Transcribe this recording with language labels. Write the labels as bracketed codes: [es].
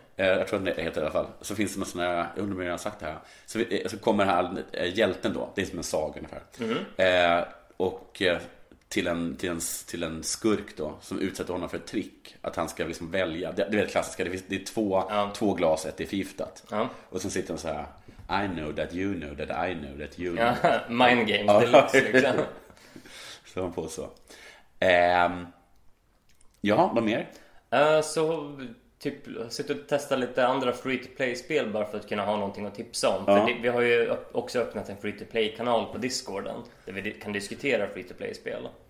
[sv] Jag tror att det heter i alla fall. Så finns det någon sån här, jag undrar om jag har sagt det här. Så kommer den här hjälten då. Det är som en saga ungefär. Och till en skurk då, som utsätter honom för ett trick. Att han ska liksom välja. Det är det klassiska, det är två glas, ett är förgiftat. Och sen sitter han så här: [en] I know that you know that I know that you know. [sv] Mindgames, det är liksom. Så han på så. Ja, vad mer? Så typ sitta och testa lite andra free-to-play-spel bara för att kunna ha någonting att tipsa om. För Ja. vi har ju också öppnat en free-to-play-kanal på Discorden där vi kan diskutera free-to-play-spel.